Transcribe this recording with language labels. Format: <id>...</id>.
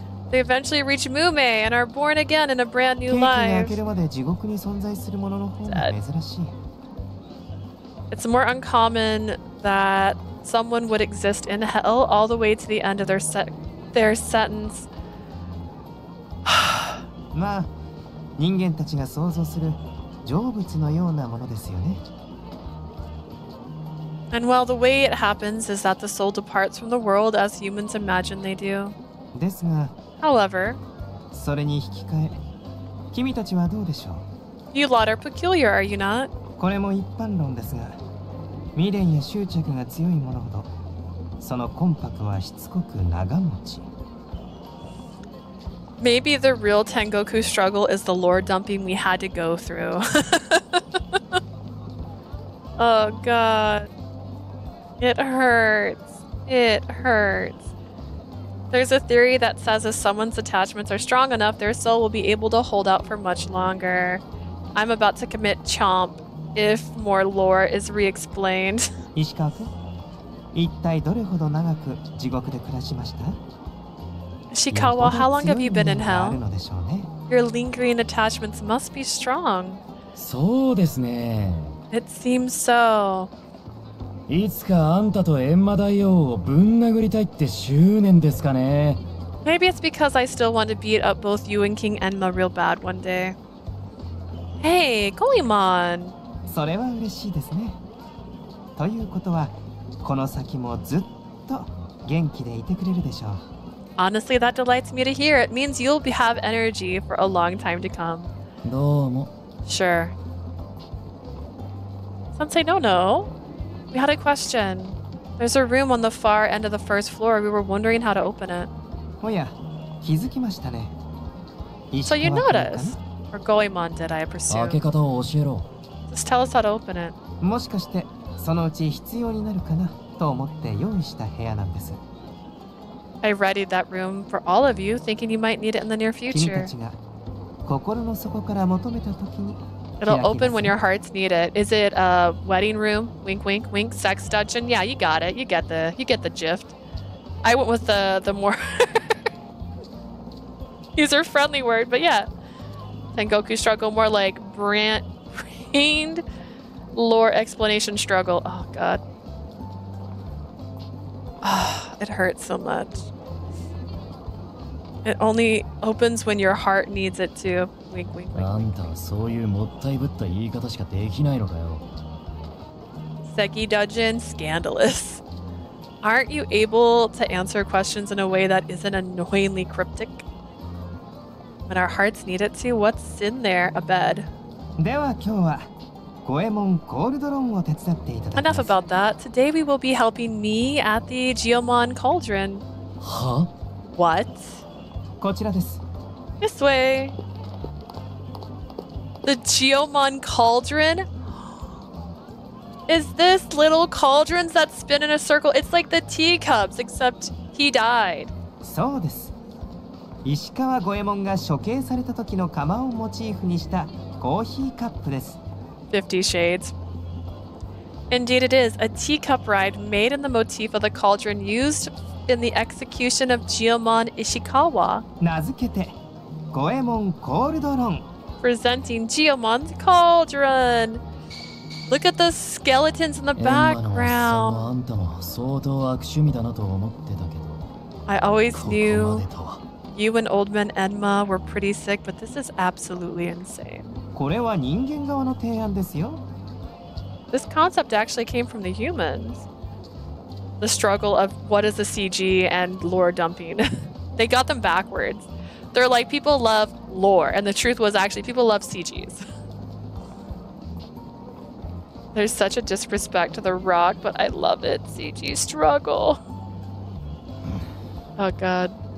<en>They eventually reach Mume and are born again in a brand new life. It's more uncommon that. Someone would exist in hell all the way to the end of their sentence.</en> <ja>まあ、人間たちが想像する成仏のようなものですよね。</ja> <en>And well, the way it happens is that the soul departs from the world as humans imagine they do.</en> <ja>ですが、</ja> <en>However,</en> <ja>それに引き換え、君たちはどうでしょう?</ja> <en>You lot are peculiar, are you not?</en> <ja>これも一般論ですが。未練や執着が強いものほど、その魂魄はしつこく長持ち。</ja> <en>Maybe the real Tengoku struggle is the lore dumping we had to go through. Oh god. It hurts. It hurts. There's a theory that says if someone's attachments are strong enough, their soul will be able to hold out for much longer. I'm about to commit chomp. If more lore is re-explained.</en> <ja>石川くん、一体どれほど長く地獄で暮らしました?</ja> <en>Shikawa, how long have you been in hell? Your lingering attachments must be strong.</en> <ja>そうですね。</ja> <en>It seems so.</en> <ja>いつかあんたとエンマ大王をぶん殴りたいって執念ですかね。</ja> <en>Maybe it's because I still want to beat up both you and King Enma real bad one day. Hey, Goemon!</en> <ja>それは嬉しいですね。ということは、この先もずっと元気でいてくれるでしょう。</ja> <en>Honestly, that delights me to hear. It means you'll have energy for a long time to come.</en> <ja>どうも。</ja> <en>Sure. Sensei, no, no. We had a question. There's a room on the far end of the first floor. We were wondering how to open it.</en> <ja>おや、気づきましたね。</ja> <en>So you noticed? Or Goemon did, I presume.</en> <ja>開け方を教えろ。</ja> <en>Just tell us how to open it.</en> <ja>もしかしてそのうち必要になるかなと思って用意した部屋なんです。</ja> <en>I readied that room for all of you, thinking you might need it in the near future.</en> <ja>君たちが心の底から求めた時に。</ja> <en>It'll open when your hearts need it. Is it a wedding room? Wink, wink, wink. Sex dungeon? Yeah, you got it. You get the gist. I went with the more user friendly word, but yeah. Tengoku struggle more like brand. Pained lore explanation struggle. Oh, God. Oh, it hurts so much. It only opens when your heart needs it to. Wink, wink, wink.</en> <ja>あんたはそういうもったいぶった言い方しかできないのかよ。</ja> <en>Seki Dungeon, scandalous. Aren't you able to answer questions in a way that isn't annoyingly cryptic? When our hearts need it to, what's in there? A bed.</en> <ja>では今日はゴエモンコールドロンを手伝っていただきます。</ja> <en>Enough about that. Today we will be helping me at the Geomon Cauldron.</en> <ja>は?</ja> <en>What?</en> <ja>こちらです。</ja> <en>This way. The Geomon Cauldron? Is this little cauldrons that spin in a circle? It's like the teacups, except he died.</en> <ja>そうです。石川ゴエモンが処刑された時の釜をモチーフにした</ja> <en>50 shades. Indeed it is, a teacup ride made in the motif of the cauldron used in the execution of Geomon Ishikawa.</en> <ja>名付けて、ゴエモンコールドロン。</ja> <en>Presenting Geomon's cauldron! Look at the skeletons in the background!</en> <ja>エンマのおっさんもあんたも相当悪趣味だなと思ってたけど。</ja> <en>I always knew you and old man Enma were pretty sick, but this is absolutely insane.</en> <ja>これは人間側の提案ですよ。</ja> <en>This concept actually came from the humans. The struggle of what is the CG and lore dumping. They got them backwards. They're like, people love lore, and the truth was actually people love CGs. There's such a disrespect to the rock, but I love it. CG struggle. Oh god.</en>